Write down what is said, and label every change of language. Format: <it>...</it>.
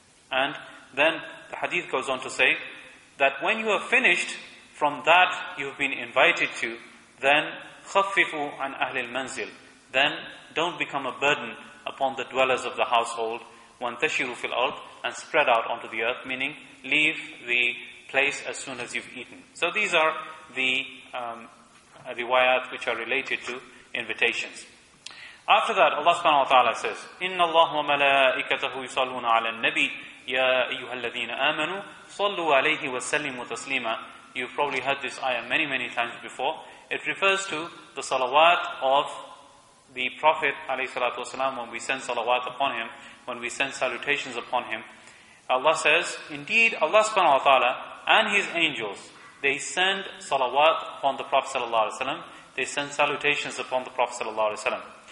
<en>And then the hadith goes on to say that when you have finished from that you've been invited to, then</en> <ar>خَفِّفُوا عَنْ أَهْلِ الْمَنْزِلِ,</ar> <en>then don't become a burden upon the dwellers of the household,</en> <ar>وَانْتَشِرُوا فِي الْأَرْضِ,</ar> <en>and spread out onto the earth, meaning leave the place as soon as you've eaten. So these are the riwayat which are related to invitations. After that, Allah subhanahu wa ta'ala says,</en> <ar>إِنَّ اللَّهُ وَمَلَائِكَتَهُ يُصَلُّونَ عَلَى النَّبِيِّ يَا أَيُّهَا الَّذِينَ آمَنُوا صَلُّوا عَلَيْهِ وَسَلِّمُوا تَسْلِيمًا.</ar> <en>You've probably heard this ayah many, many times before. It refers to the salawat of the Prophet alayhi salatu wasalam, when we send salawat upon him, when we send salutations upon him. Allah says, indeed Allah subhanahu wa ta'ala and his angels, they send salawat upon the Prophet sallallahu alayhi wasalam, they send salutations upon the Prophet sallallahu alayhi wasalam.</en>